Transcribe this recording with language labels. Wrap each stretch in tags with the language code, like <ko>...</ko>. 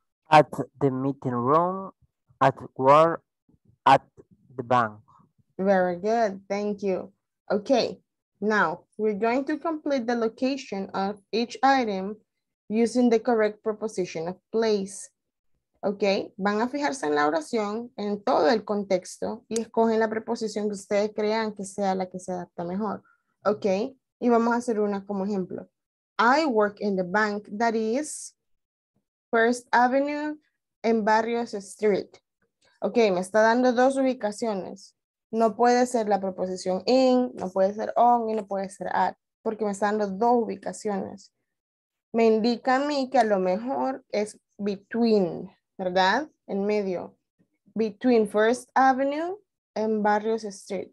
<en>At the meeting room, at work, at the bank. Very good. Thank you. Okay. Now, we're going to complete the location of each item using the correct preposition of place. Okay?</en> <es>Van a fijarse en la oración, en todo el contexto, y escogen la preposición que ustedes crean que sea la que se adapta mejor. Okay? Y vamos a hacer una como ejemplo.</es> <en>I work in the bank that is First Avenue and Barrios Street.</en> <es>Ok, me está dando dos ubicaciones. No puede ser la preposición in, no puede ser on y no puede ser at, porque me está dando dos ubicaciones. Me indica a mí que a lo mejor es between, ¿verdad? En medio.</es> <en>Between First Avenue and Barrios Street.</en>